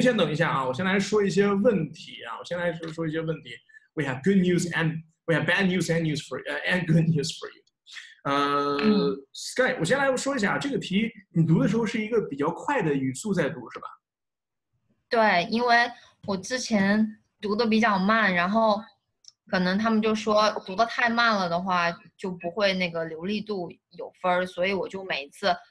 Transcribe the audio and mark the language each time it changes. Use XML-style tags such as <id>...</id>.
<zh>先等一下啊，我先来说一些问题啊，我先来说一些问题。</zh> <en>We have good news and we have bad news and news for and good news for you。</en> <zh>Sky，我先来说一下这个题，你读的时候是一个比较快的语速在读，是吧？对，因为我之前读的比较慢，然后可能他们就说读的太慢了的话，就不会那个流利度有分儿，所以我就每一次。</zh>